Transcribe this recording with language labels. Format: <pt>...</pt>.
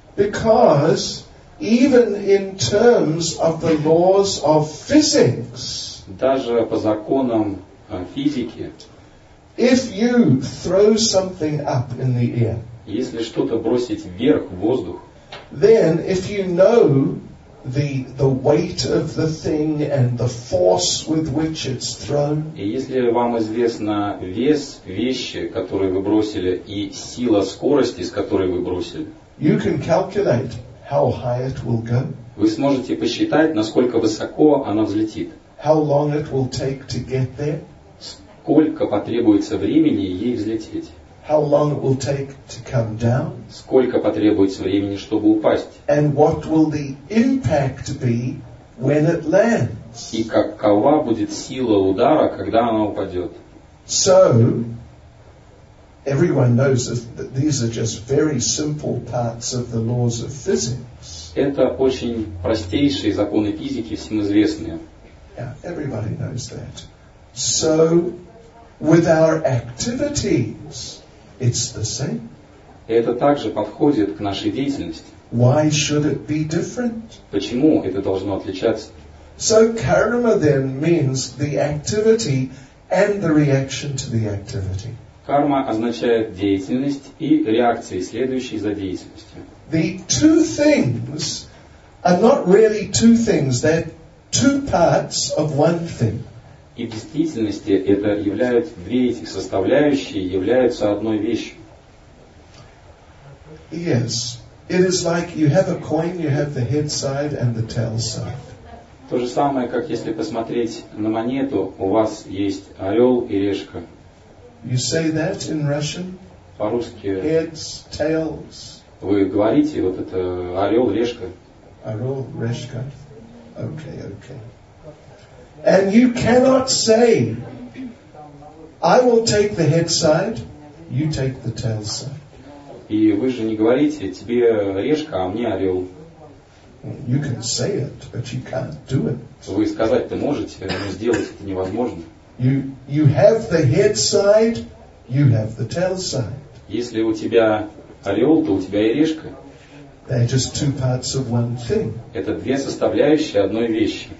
<en>Because even in terms of the laws of physics,</en> <ru>даже по законам физики,</ru> <en>if you throw something up in the air,</en> <ru>если что-то бросить вверх в воздух,</ru> <en>then if you know the weight of the thing and the force with which it's thrown,</en> <ru>и если вам известно вес вещи, которую вы бросили, и сила скорости, с которой вы бросили,</ru> <en>you can calculate how high it will go.</en> <ru>Вы сможете посчитать, насколько высоко она взлетит.</ru> <en>How long it will take to get there?</en> <ru>Сколько потребуется времени ей взлететь?</ru> <en>How long it will take to come down?</en> <ru>Сколько потребуется времени, чтобы упасть?</ru> <en>And what will the impact be when it lands?</en> <ru>И какова будет сила удара, когда она упадет?</ru> <en>So everyone knows that these are just very simple parts of the laws of physics.</en> <ru>Это очень простейшие законы физики, всем известные.</ru> <en>Yeah, everybody knows that. So with our activities, it's the same.</en> <ru>Это также подходит к нашей деятельности.</ru> <en>Why should it be different?</en> <ru>Почему это должно отличаться?</ru> <en>So karma then means the activity and the reaction to the activity.</en> <ru>Карма означает деятельность и реакции, следующие за деятельностью.</ru> <en>The two things are not really two things, they're two parts of one thing.</en> <ru>И в действительности это являются две этих составляющие, являются одной вещью.</ru> <en>Yes. It is like you have a coin, you have the head side and the tail side.</en> <ru>То же самое, как если посмотреть на монету, у вас есть орел и решка.</ru> <en>You say that in Russian?</en> <ru>По-русски.</ru> <en>Heads, tails.</en> <ru>Вы говорите вот это орел, решка. Орел, решка.</ru> <en>Okay, okay. And you cannot say, I will take the head side, you take the tail side.</en> <ru>И вы же не говорите, тебе решка, а мне орел.</ru> <en>You can say it, but you can't do it.</en> <ru>Вы сказать-то можете, но сделать это невозможно.</ru> <en>You have the head side, you have the tail side.</en> <ru>Если у тебя орел, то у тебя и решка.</ru> <en>They're just two parts of one thing.</en> <ru>Это две составляющие одной вещи.</ru>